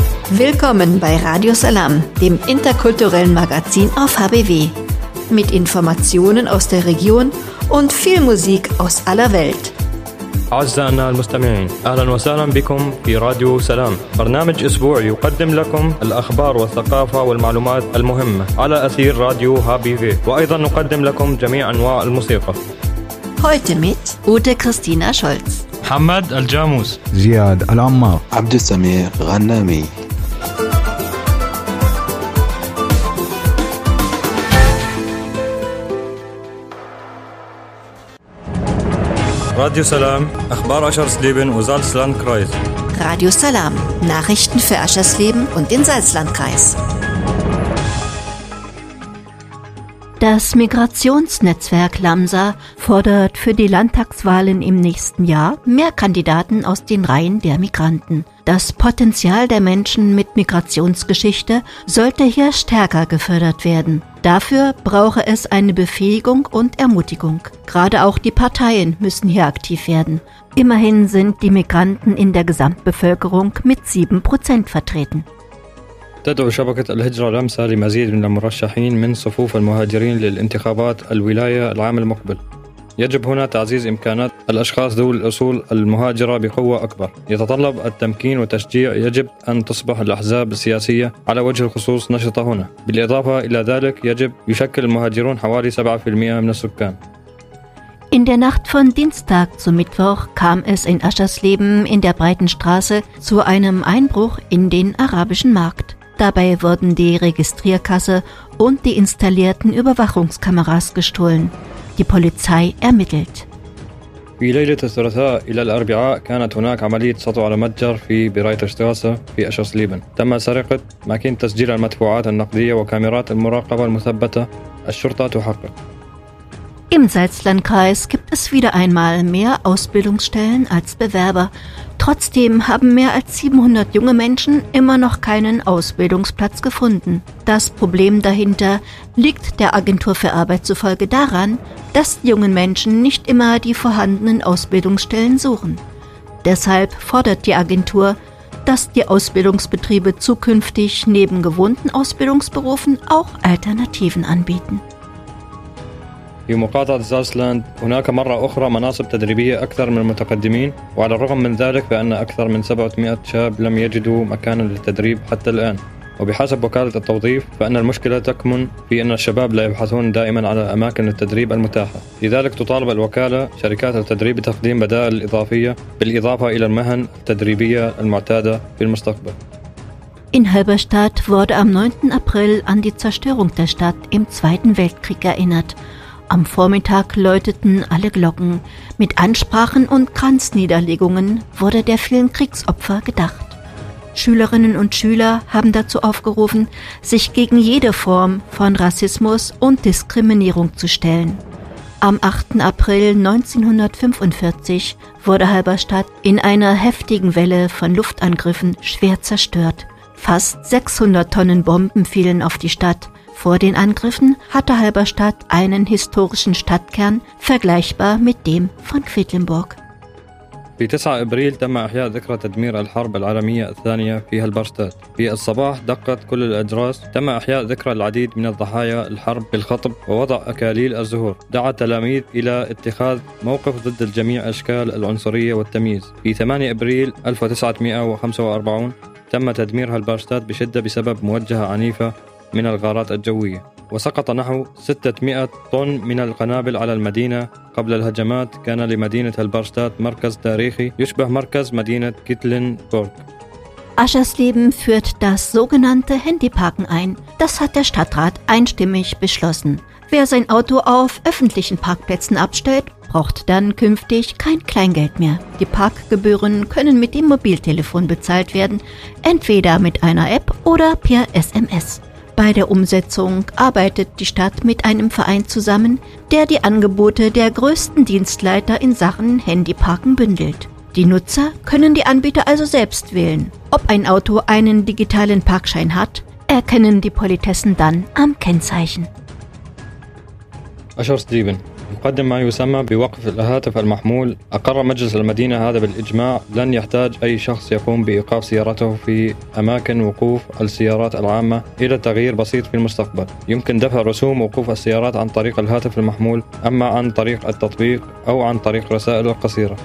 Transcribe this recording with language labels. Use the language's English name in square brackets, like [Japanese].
[German] Willkommen bei Radio Salam, dem interkulturellen Magazin auf HBW. Mit Informationen aus der Region und viel Musik aus aller Welt. [Arabic] أعزائنا المستمعين أهلا وسهلا بكم في راديو سلام برنامج أسبوع يقدم لكم الأخبار والثقافة والمعلومات المهمة على أثير راديو هابي في وأيضا نقدم لكم جميع أنواع الموسيقى [German] Heute mit Ute Christina Scholz [Arabic] محمد الجاموس زياد العمار عبد السمير غنامي [German] Radio Salam, Achbar Aschersleben und Salzlandkreis. Radio Salam, Nachrichten für Aschersleben und den Salzlandkreis. Das Migrationsnetzwerk LAMSA fordert für die Landtagswahlen im nächsten Jahr mehr Kandidaten aus den Reihen der Migranten. Das Potenzial der Menschen mit Migrationsgeschichte sollte hier stärker gefördert werden. Dafür brauche es eine Befähigung und Ermutigung. Gerade auch die Parteien müssen hier aktiv werden. Immerhin sind die Migranten in der Gesamtbevölkerung mit 7% vertreten. [Arabic] تدعو شبكة الهجرة لمسة لمزيد من المرشحين من صفوف المهاجرين للانتخابات الولاية العام المقبل. يجب هنا تعزيز إمكانات الأشخاص ذوي الأصول المهاجرة بقوة أكبر. يتطلب التمكين والتشجيع يجب أن تصبح الأحزاب السياسية على وجه الخصوص نشطة هنا. بالإضافة إلى ذلك يجب يشكل المهاجرون حوالي 7% من السكان. [German] In der Nacht von Dienstag zu Mittwoch kam es in Aschersleben in der Breitenstraße zu einem Einbruch in den arabischen Markt. Dabei wurden die Registrierkasse und die installierten Überwachungskameras gestohlen. Die Polizei ermittelt. [Arabic] في ليلة الثلاثاء إلى الأربعاء كانت هناك عملية سطو على متجر في بريتشتراسة في أشرسليبن. تم سرقة ماكينة تسجيل المدفوعات النقدية وكاميرات المراقبة المثبتة. الشرطة تحقق. [German] Im Salzlandkreis gibt es wieder einmal mehr Ausbildungsstellen als Bewerber. Trotzdem haben mehr als 700 junge Menschen immer noch keinen Ausbildungsplatz gefunden. Das Problem dahinter liegt der Agentur für Arbeit zufolge daran, dass die jungen Menschen nicht immer die vorhandenen Ausbildungsstellen suchen. Deshalb fordert die Agentur, dass die Ausbildungsbetriebe zukünftig neben gewohnten Ausbildungsberufen auch Alternativen anbieten. [Arabic] في مقاطعة زاسلاند هناك مرة أخرى مناصب تدريبية أكثر من المتقدمين وعلى الرغم من ذلك بأن أكثر من 700 شاب لم يجدوا مكانا للتدريب حتى الآن وبحسب وكالة التوظيف فأن المشكلة تكمن في أن الشباب لا يبحثون دائما على أماكن التدريب المتاحة لذلك تطالب الوكالة شركات التدريب بتقديم بدائل إضافية بالإضافة إلى المهن التدريبية المعتادة في المستقبل [German] In Halberstadt wurde am 9. April an die Zerstörung der Stadt im Zweiten Weltkrieg erinnert. Am Vormittag läuteten alle Glocken. Mit Ansprachen und Kranzniederlegungen wurde der vielen Kriegsopfer gedacht. Schülerinnen und Schüler haben dazu aufgerufen, sich gegen jede Form von Rassismus und Diskriminierung zu stellen. Am 8. April 1945 wurde Halberstadt in einer heftigen Welle von Luftangriffen schwer zerstört. Fast 600 Tonnen Bomben fielen auf die Stadt. Vor den Angriffen hatte Halberstadt einen historischen Stadtkern vergleichbar mit dem von Quedlinburg. [Arabic] في 9 ابريل تم احياء ذكرى تدمير الحرب العالميه الثانيه في هالبرستاد. في الصباح دقت كل الاجراس. تم احياء ذكرى العديد من الضحايا الحرب بالخطب ووضع اكاليل الزهور. دعا التلاميذ الى اتخاذ موقف ضد الجميع اشكال العنصريه والتمييز. في 8 ابريل 1945 تم تدمير هالبرستاد بشده بسبب موجهه عنيفه من الغارات الجوية وسقط نحو 600 طن من القنابل على المدينة قبل الهجمات كان لمدينة هالبرستاد مركز تاريخي يشبه مركز مدينة كيتلينبورغ [German] Aschersleben führt das sogenannte Handyparken ein. Das hat der Stadtrat einstimmig beschlossen. Wer sein Auto auf öffentlichen Parkplätzen abstellt, braucht dann künftig kein Kleingeld mehr. Die Parkgebühren können mit dem Mobiltelefon bezahlt werden, entweder mit einer App oder per SMS. Bei der Umsetzung arbeitet die Stadt mit einem Verein zusammen, der die Angebote der größten Dienstleister in Sachen Handyparken bündelt. Die Nutzer können die Anbieter also selbst wählen. Ob ein Auto einen digitalen Parkschein hat, erkennen die Politessen dann am Kennzeichen. Aschersleben, [Arabic] مقدم ما يسمى بوقف الهاتف المحمول. أقر مجلس المدينة هذا بالإجماع، لن يحتاج أي شخص يقوم بإيقاف سيارته في أماكن وقوف السيارات العامة إلى تغيير بسيط في المستقبل. يمكن دفع رسوم وقوف السيارات عن طريق الهاتف المحمول، أما عن طريق التطبيق أو عن طريق رسائل قصيرة.